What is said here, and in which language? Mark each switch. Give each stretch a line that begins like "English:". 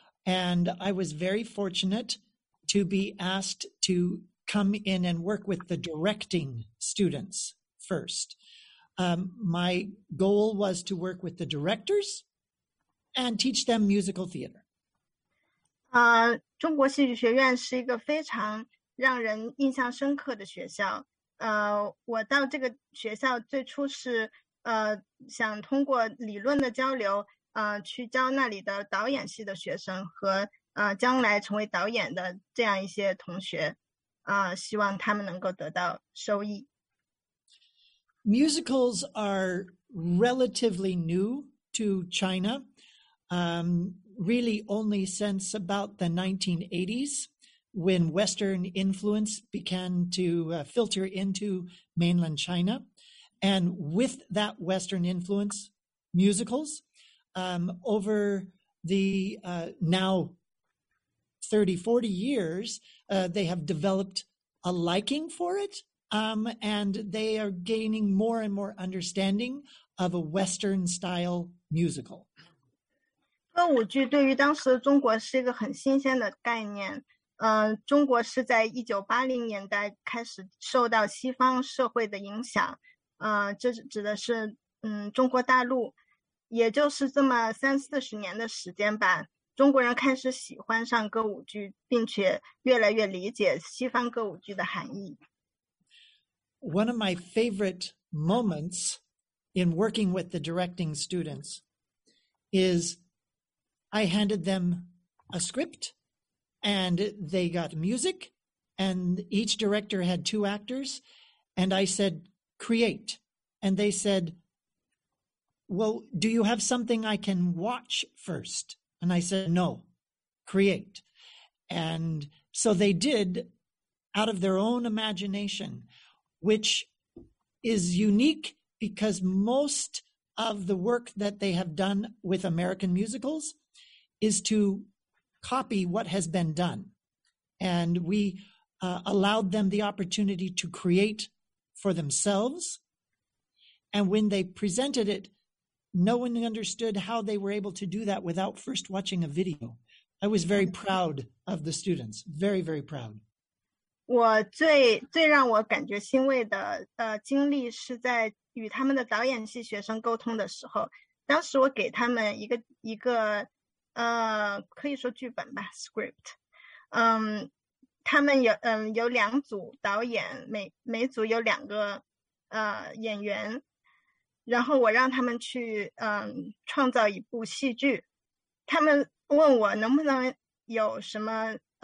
English: And I was very fortunate to be asked to come in and work with the directing students first. My goal was to work with the directors and teach them musical theater.
Chinese: 中国戏剧学院是一个非常让人印象深刻的学校。我到这个学校最初是想通过理论的交流去教那里的导演系的学生和将来成为导演的这样一些同学希望他们能够得到收益。
English: Musicals are relatively new to China, really only since about the 1980s. When Western influence began to filter into mainland China. And with that Western influence, musicals, over the now 30, 40 years, they have developed a liking for it. And they are gaining more and more understanding of a Western style musical.
Chinese: 歌舞剧对于当时的中国是一个很新鲜的概念。中国是在1980年代开始受到西方社会的影响，这指的是中国大陆，也就是这么三四十年的时间吧，中国人开始喜欢上歌舞剧，并且越来越理解西方歌舞剧的含义。
English: One of my favorite moments in working with the directing students is I handed them a script and they got music and each director had two actors and I said, create. And they said, well, do you have something I can watch first? And I said, no, create. And so they did out of their own imagination,which is unique because most of the work that they have done with American musicals is to copy what has been done. And we, allowed them the opportunity to create for themselves. And when they presented it, no one understood how they were able to do that without first watching a video. I was very proud of the students, very, very proud.
Chinese: 我最让我感觉欣慰的经历是在与他们的导演系学生沟通的时候，当时我给他们一个可以说剧本吧 script， 他们有两组导演，每组有两个演员，然后我让他们去创造一部戏剧，他们问我能不能有什么。